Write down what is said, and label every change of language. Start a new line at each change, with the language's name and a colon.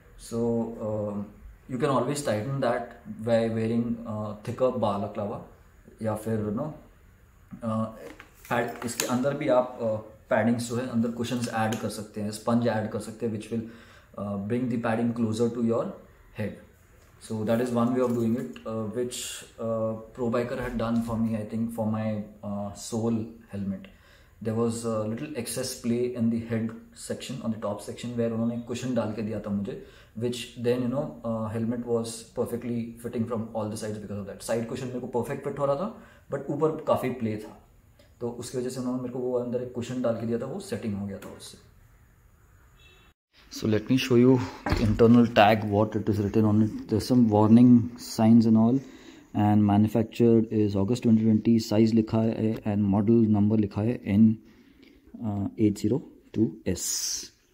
English: so you can always tighten that by wearing thicker balaclava,
Hindi: या फिर you know pad इसके अंदर भी आप पैडिंग्स जो है अंदर कुशंस ऐड कर सकते हैं,
English: Sponge add कर सकते हैं, which will bring the padding closer to your head. So that is one way of doing it, which Pro Biker had done for me, I think, for my sole helmet. There was a little excess play in the head section, on the top section, where
Hindi: उन्होंने cushion डाल के दिया था मुझे,
English: which then, you know, helmet was perfectly fitting from all the sides because of that.
Hindi: Side cushion मेरे को perfect fit हो रहा था, but ऊपर काफ़ी प्ले था, तो उसकी वजह से उन्होंने मेरे को वो अंदर एक cushion डाल के दिया था, वो सेटिंग हो गया था उससे.
English: So let me show you the internal tag, what it is written on it. There's some warning signs and all. And manufactured is August 2020.
Hindi: Size likha hai and model number likha hai N-802S.